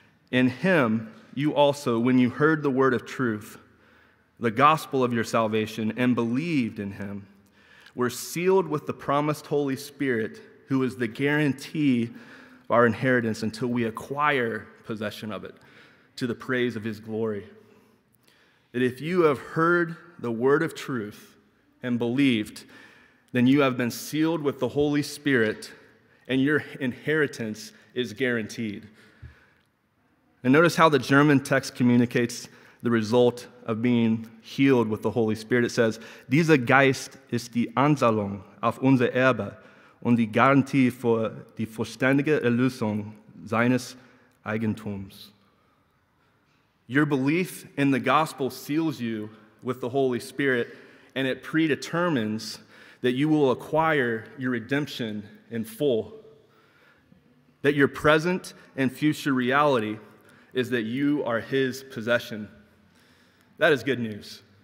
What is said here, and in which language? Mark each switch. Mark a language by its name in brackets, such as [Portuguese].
[English] "In him, you also, when you heard the word of truth, the gospel of your salvation, and believed in him, were sealed with the promised Holy Spirit, who is the guarantee of our inheritance until we acquire possession of it, to the praise of his glory." That if you have heard the word of truth and believed, then you have been sealed with the Holy Spirit, and your inheritance is guaranteed. And notice how the German text communicates the result of being healed with the Holy Spirit. It says, [German] "Dieser Geist ist die Anzahlung auf unser Erbe und die Garantie für die vollständige Erlösung seines Eigentums." [English] Your belief in the gospel seals you with the Holy Spirit, and it predetermines that you will acquire your redemption in full. That your present and future reality is that you are his possession. That is good news.